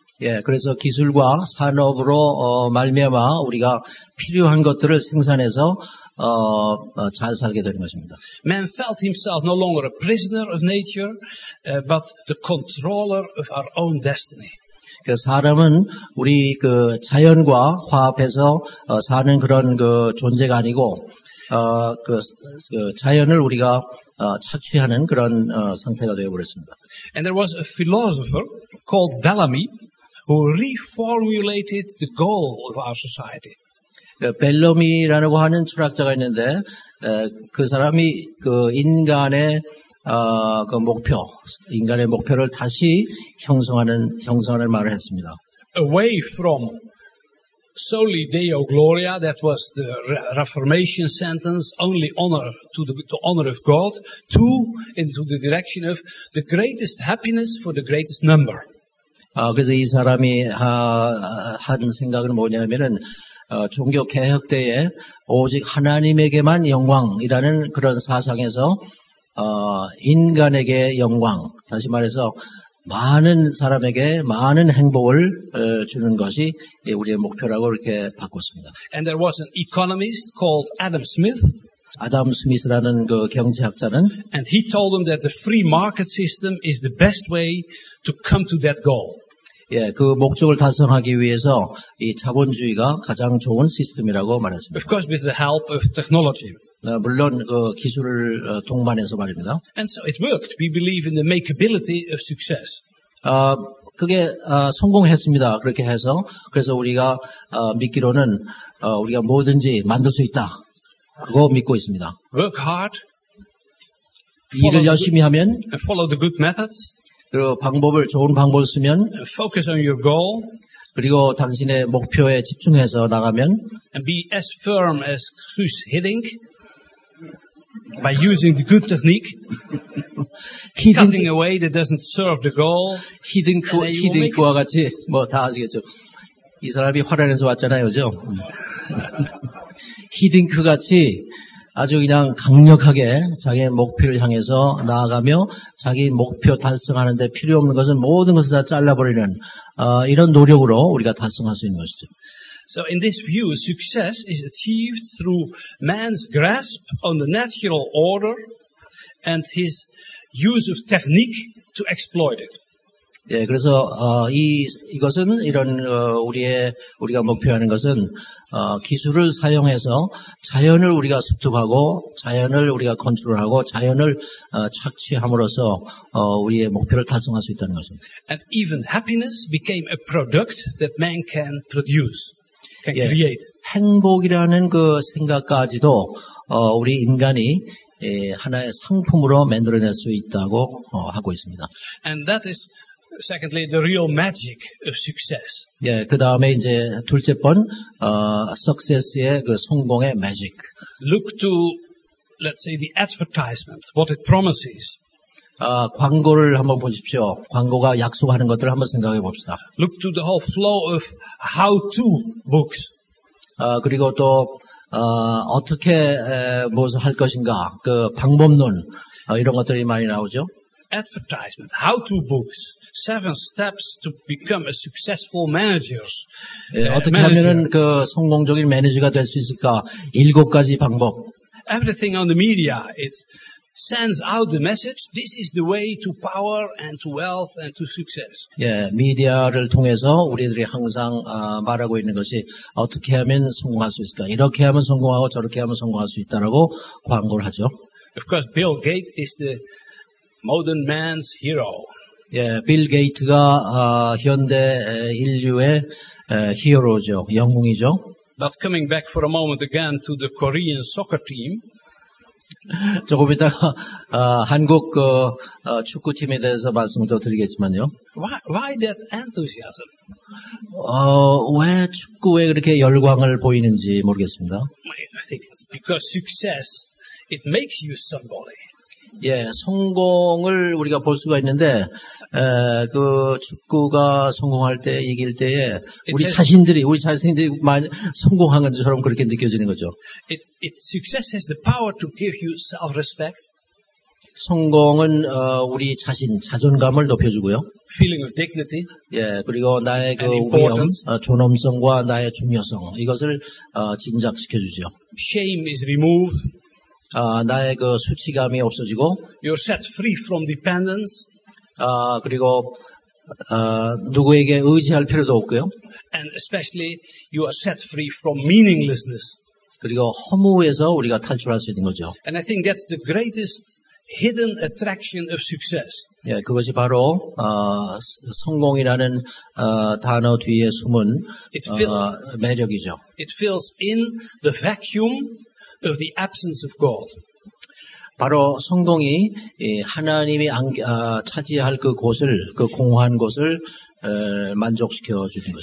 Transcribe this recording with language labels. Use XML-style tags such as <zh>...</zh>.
<ko>예, 그래서 기술과 산업으로 말미암아 우리가 필요한 것들을 생산해서 잘 살게 되는 것입니다.</ko> <en>Man felt himself no longer a prisoner of nature, but the controller of our own destiny.</en> <ko>그 사람은 우리 그 자연과 화합해서 사는 그런 그 존재가 아니고 그 자연을 우리가 착취하는 그런 상태가 되어 버렸습니다.</ko> <en>And there was a philosopher called Bellamy who reformulated the goal of our society.</en> <ko>벨러미라고 하는 철학자가 있는데 그 사람이 그 인간의 그 목표, 인간의 목표를 다시 형성하는 말을 했습니다.</ko> <en>Away from</en> <la>soli Deo Gloria,</la> <en>that was the Reformation sentence, only honor to the honor of God, to into the direction of the greatest happiness for the greatest number.</en> <ko>그래서 이 사람이 한 생각은 뭐냐면은 종교 개혁 때에 오직 하나님에게만 영광이라는 그런 사상에서 인간에게 영광, 다시 말해서 많은 사람에게 많은 행복을 주는 것이 우리의 목표라고 이렇게 바꿨습니다.</ko> <en>And there was an economist called Adam Smith.</en> <ko>아담 스미스라는 그 경제학자는</ko> <en>And he told them that the free market system is the best way to come to that goal.</en> <ko>예, 그 목적을 달성하기 위해서 이 자본주의가 가장 좋은 시스템이라고 말했습니다.</ko> <en>Of course, with the help of technology.</en> <ko>물론 그 기술을 동반해서 말입니다.</ko> <en>And so it worked. We believe in the makeability of success.</en> <ko>그게 성공했습니다. 그렇게 해서 그래서 우리가 믿기로는 우리가 뭐든지 만들 수 있다. 그거 믿고 있습니다.</ko> <en>Work hard.</en> <ko>일을 열심히 하면.</ko> <en>And follow the good methods.</en> <ko>그리고 방법을 좋은 방법을 쓰면</ko> <en>focus on your goal</en> <ko>그리고 당신의 목표에 집중해서 나가면</ko> <en>and be as firm as Chris Hiddink by using the good technique cutting away that doesn't serve the goal</en> <ko>Hiddink과 같이 뭐 다 아시겠죠. 이 사람이 화려해서 왔잖아요. 그죠? 히딩크 같이 아주 그냥 강력하게 자기의 목표를 향해서 나아가며 자기 목표 달성하는데 필요 없는 것은 모든 것을 다 잘라버리는 이런 노력으로 우리가 달성할 수 있는 것이죠.</ko> <en>So in this view, success is achieved through man's grasp on the natural order and his use of technique to exploit it.</en> <ko>예, 그래서 이것은 이런 우리가 목표하는 것은 기술을 사용해서 자연을 우리가 습득하고 자연을 우리가 컨트롤하고 자연을 착취함으로써 우리의 목표를 달성할 수 있다는 것입니다.</ko> <en>And even happiness became a product that man can produce, can create.</en> <ko>예, 행복이라는 그 생각까지도 우리 인간이 하나의 상품으로 만들어낼 수 있다고 하고 있습니다.</ko> <en>And that is Secondly, the real magic of success.</en> <ko>예, 그 다음에 이제 둘째 번, success의 그 성공의 magic.</ko> <en>Look to, let's say, the advertisement, what it promises.</en> <ko>광고를 한번 보십시오. 광고가 약속하는 것들을 한번 생각해 봅시다.</ko> <en>Look to the whole flow of how-to books.</en> <ko>그리고 또, 어떻게 무엇을 할 것인가, 그 방법론, 이런 것들이 많이 나오죠.</ko> <en>Advertisement, how-to books, seven steps to become a successful manager.</en> <ko>어떻게 하면은 그 성공적인 매니저가 될 수 있을까? 일곱 가지 방법.</ko> <en>Everything on the media, it sends out the message. This is the way to power and to wealth and to success.</en> <ko>예, 미디어를 통해서 우리들이 항상 말하고 있는 것이 어떻게 하면 성공할 수 있을까? 이렇게 하면 성공하고 저렇게 하면 성공할 수 있다라고 광고를 하죠.</ko> <en>Of course, Bill Gates is the Modern man's hero.</en> <ko>예, 빌 게이트가 현대 인류의 히어로죠, 영웅이죠.</ko> <en>But coming back for a moment again to the Korean soccer team.</en> <ko>조금 이따가 한국 축구팀에 대해서 말씀도 드리겠지만요.</ko> <en>Why that enthusiasm?</en> <ko>왜 축구에 그렇게 열광을 보이는지 모르겠습니다.</ko> <en>I think it's because success it makes you somebody.</en> <ko>예, 성공을 우리가 볼 수가 있는데, 그 축구가 성공할 때 이길 때에 우리 자신들이 많이 성공한 것처럼 그렇게 느껴지는 거죠.</ko> <en>It success has the power to give you self-respect.</en> <ko>성공은 우리 자신 자존감을 높여주고요.</ko> <en>Feeling of dignity.</en> <ko>예, 그리고 나의 그 위엄, 존엄성과 나의 중요성 이것을 진작시켜주죠.</ko> <en>Shame is removed.</en> <ko>나의 그 수치감이 없어지고,</ko> <en>You're set free from dependence.</en> <ko>그리고 누구에게 의지할 필요도 없고요.</ko> <en>And especially you are set free from meaninglessness.</en> <ko>그리고 허무에서 우리가 탈출할 수 있는 거죠.</ko> <en>And I think that's the greatest hidden attraction of success.</en> <ko>예, 그것이 바로 성공이라는 단어 뒤에 숨은 매력이죠.</ko> <en>It fills in the vacuum. Of the absence of God.</en> <ko>바로 성공이 하나님이 차지할 그 곳을 그 공허한 곳을 만족시켜 주는 것입니다.</ko>